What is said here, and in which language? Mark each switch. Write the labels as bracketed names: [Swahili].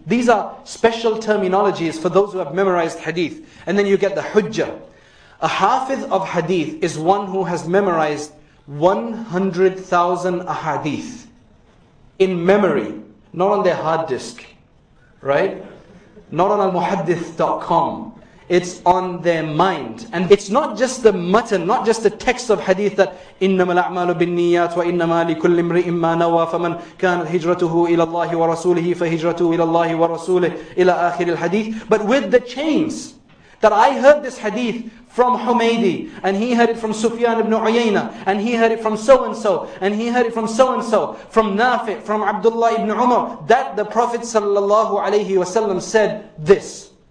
[English] These are special terminologies for those who have memorized hadith. And then you get the Hujjah. A Hafidh of hadith is one who has memorized 100,000 ahadith in memory, not on their hard disk, right? Not on almuhaddith.com. It's on their mind. And it's not just the matan, not just the text of hadith that [Arabic] إِنَّمَا الْأَعْمَالُ بِالنِّيَّاتِ وَإِنَّمَا لِكُلِّ امْرِئٍ مَّا نَوَى فَمَنْ كَانَتْ هِجْرَتُهُ إِلَى اللَّهِ وَرَسُولِهِ فَهِجْرَتُهُ إِلَى اللَّهِ وَرَسُولِهِ إِلَى آخِرِ الْحَدِيثِ. [English] But with the chains that I heard this hadith from Humaydi, and he heard it from Sufyan ibn Uyayna, and he heard it from so-and-so, and he heard it from so-and-so, from Nafi', from Abdullah ibn Umar, that the Prophet sallallahu alayhi wasallam said this.